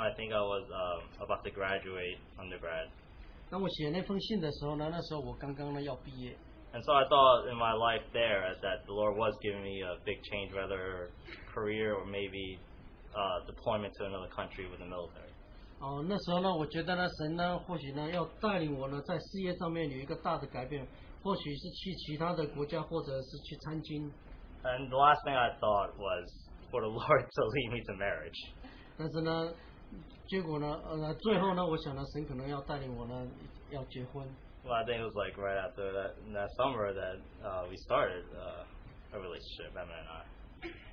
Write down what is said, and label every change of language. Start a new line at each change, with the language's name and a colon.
English: I think I was about to graduate undergrad.
Chinese: 那我写那封信的时候呢，那时候我刚刚呢要毕业。
English: And so I thought in my life there that the Lord was giving me a big change, whether career or maybe deployment to another country with the military.
Chinese: 那时候呢，我觉得呢，神呢，或许呢要带领我呢，在事业上面有一个大的改变，或许是去其他的国家，或者是去参军。
English: And the last thing I thought was for the Lord to lead me to marriage.
Chinese: 但是呢。结果呢，最后呢，我想呢，神可能要带领我呢，要结婚。
English: Well, I think it was like right after that summer that we started a relationship, Emma and I.